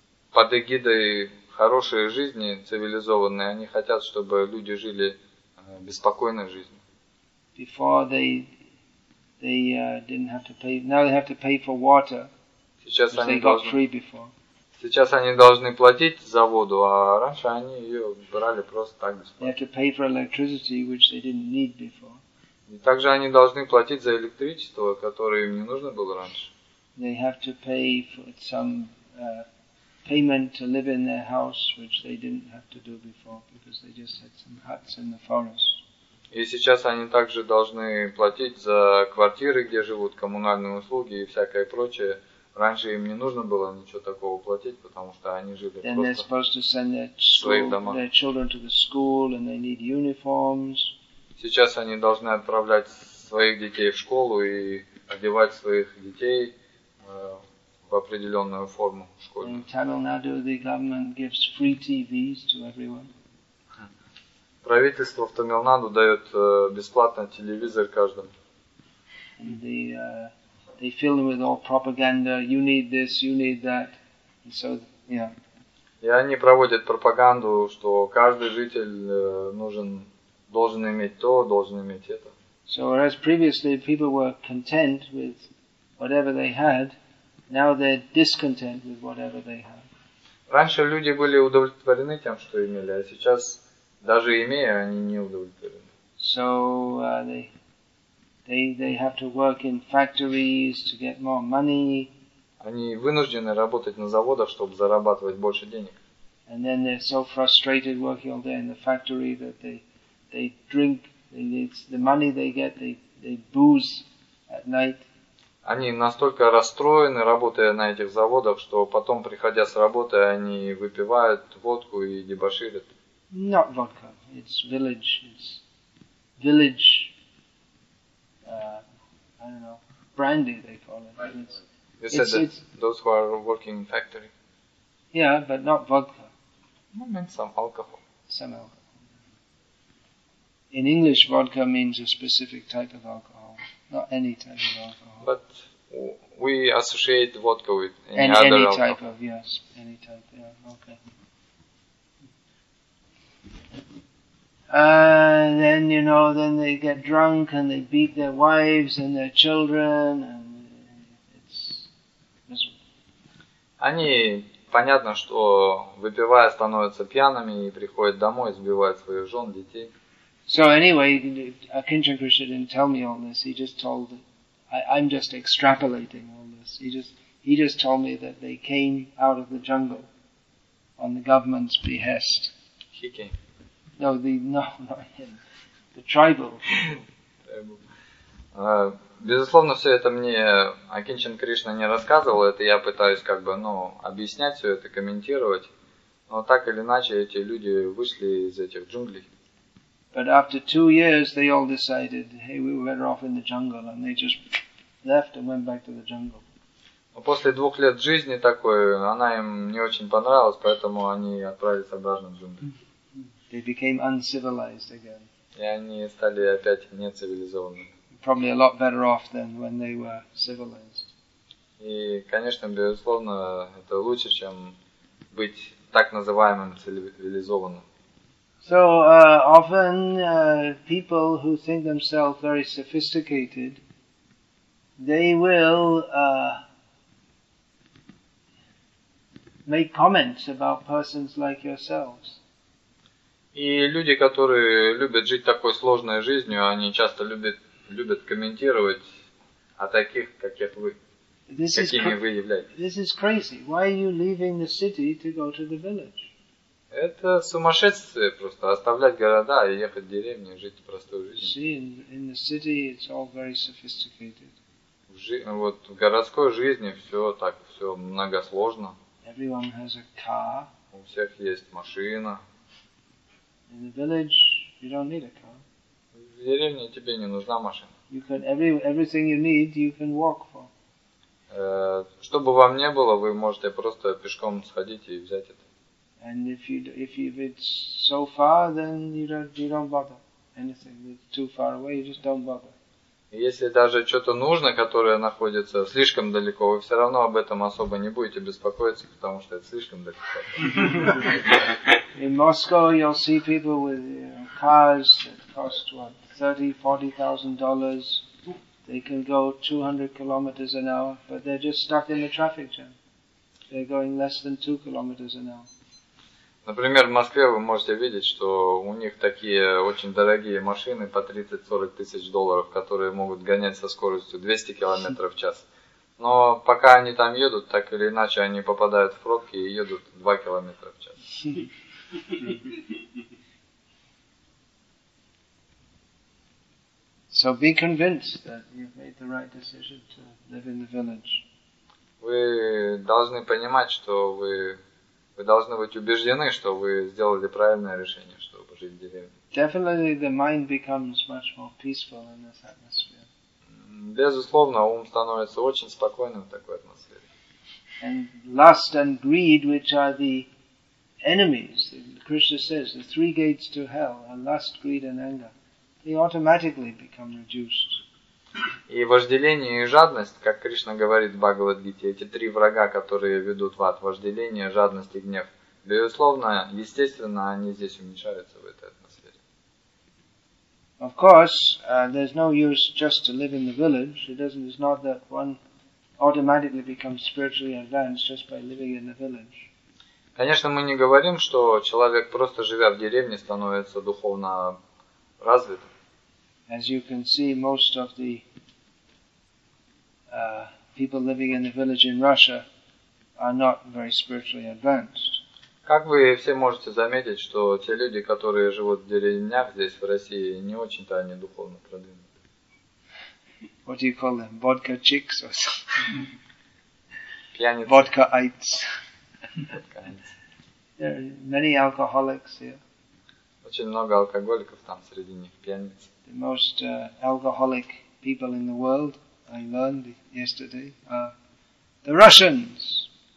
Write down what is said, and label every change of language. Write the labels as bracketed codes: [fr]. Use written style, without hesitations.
[ru] Под эгидой хорошей жизни, цивилизованной, они хотят, чтобы люди жили беспокойной жизнью. [en] Before they didn't have to pay. Now they have to pay for water. [ru] Сейчас [en] which [ru] они [en] they [ru] должны [en] got free before. [ru] Сейчас они должны платить за воду, а раньше они ее брали просто так бесплатно. [en] They have to pay for electricity, which they didn't need before. [ru] И также они должны платить за электричество, которое им не нужно было раньше. [en] They have to pay for some payment to live in their house, which they didn't have to do before, because they just had some huts in the forest. [ru] И сейчас они также должны платить за квартиры, где живут, коммунальные услуги и всякое прочее. Раньше им не нужно было ничего такого платить, потому что они жили [en] then [ru] просто в своих домах. Сейчас они должны отправлять своих детей в школу и одевать своих детей в определенную форму в школе. [en] In Tamil Nadu, the government gives free TVs to everyone. [ru] Правительство в Tamil Nadu дает бесплатно телевизор каждому. [en] The they fill them with all propaganda. You need this, you need that. And so, yeah. [ru] И они проводят пропаганду, что каждый житель должен иметь то, должен иметь это. [en] So whereas previously people were content with whatever they had, now they're discontent with whatever they have. [ru] Раньше люди были удовлетворены тем, что имели, а сейчас, даже имея, они не удовлетворены. [en] So they have to work in factories to get more money. [ru] Они вынуждены работать на заводах, чтобы зарабатывать больше денег. [en] And then they're so frustrated working all day in the factory that they drink, the money they get, they booze at night. [ru] Они настолько расстроены, работая на этих заводах, что потом, приходя с работы, они выпивают водку и дебоширят. [en] Not vodka. It's village. It's village. I don't know. Brandy, they call it. You said that those who are working in factory. Yeah, but not vodka. I meant some alcohol. Some alcohol. In English, vodka means a specific type of alcohol. Not any type of alcohol. But we associate vodka with any type of, yes, any type, yeah, okay. Then, you know, then they get drunk and they beat their wives and their children, and it's miserable. [ru] Они, понятно, что выпивая, становятся пьяными и приходят домой, сбивают своих жен, детей. [en] So anyway, Akinchen Krishna didn't tell me all this. He just told that I'm just extrapolating all this. He just told me that they came out of the jungle on the government's behest. He came. No, not him. The tribal. [ru] Безусловно, все это мне Акинчен Кришна не рассказывал. Это я пытаюсь объяснять все это, комментировать. Но так или иначе, эти люди вышли из этих джунглей. [en] But after 2 years, they all decided, hey, we were better off in the jungle, and they just left and went back to the jungle. [ru] Но после 2 лет жизни такой, она им не очень понравилась, поэтому они отправились обратно в джунгли. [en] They became uncivilized again. [ru] И они стали опять нецивилизованными. [en] Probably a lot better off than when they were civilized. [ru] И, конечно, безусловно, это лучше, чем быть так называемым цивилизованным. [en] So often people who think themselves very sophisticated, they will make comments about persons like yourselves. [ru] И люди, которые любят жить такой сложной жизнью, они часто любят комментировать о таких, как вы, какими вы являетесь. [en] This is crazy. Why are you leaving the city to go to the village? [ru] Это сумасшествие просто, оставлять города и ехать в деревню, жить простой жизнью. [en] See, in the city it's all very sophisticated. [ru] В городской жизни все так, все многосложно. [en] Everyone has a car. [ru] У всех есть машина. [en] In the village you don't need a car. [ru] В деревне тебе не нужна машина. [en] You can, everything you need you can walk for. [ru] Что бы вам ни было, вы можете просто пешком сходить и взять это. [en] And if it's so far, then you don't bother anything. It's too far away. You just don't bother. [ru] Если даже что-то нужно, которое находится слишком далеко, вы все равно об этом особо не будете беспокоиться, потому что это слишком далеко. [en] In Moscow, you'll see people with cars that cost $30,000-$40,000. They can go 200 kilometers an hour, but they're just stuck in the traffic jam. They're going less than 2 kilometers an hour. [ru] Например, в Москве вы можете видеть, что у них такие очень дорогие машины по 30-40 тысяч долларов, которые могут гонять со скоростью 200 км в час. Но пока они там едут, так или иначе, они попадают в пробки и едут 2 км в час. [en] So be convinced that you've made the right decision to live in the village. [ru] Вы должны понимать, что вы должны быть убеждены, что вы сделали правильное решение, чтобы жить в деревне. [en] Definitely the mind becomes much more peaceful in this atmosphere. [ru] Безусловно, ум становится очень спокойным в такой атмосфере. [en] And lust and greed, which are the enemies, Krishna says, the 3 gates to hell are lust, greed and anger. They automatically become reduced. [ru] И вожделение и жадность, как Кришна говорит в Бхагавад-гите, эти три врага, которые ведут в ад, вожделение, жадность и гнев, безусловно, естественно, они здесь уменьшаются в этой атмосфере. [en] Of course, there's no use just to live in the village. It's not that one automatically becomes spiritually advanced just by living in the village. [ru] Конечно, мы не говорим, что человек, просто живя в деревне, становится духовно развитым. [en] As you can see, most of the people living in the village in Russia are not very spiritually advanced. [ru] Как вы все можете заметить, что те люди, которые живут в деревнях здесь, в России, не очень-то они духовно продвинуты. [en] What do you call them? Vodka chicks or something? Vodka-ites. There are many alcoholics here. [ru] Очень много алкоголиков там среди них, пьяниц. [en] The most alcoholic people in the world, I learned yesterday, are the Russians.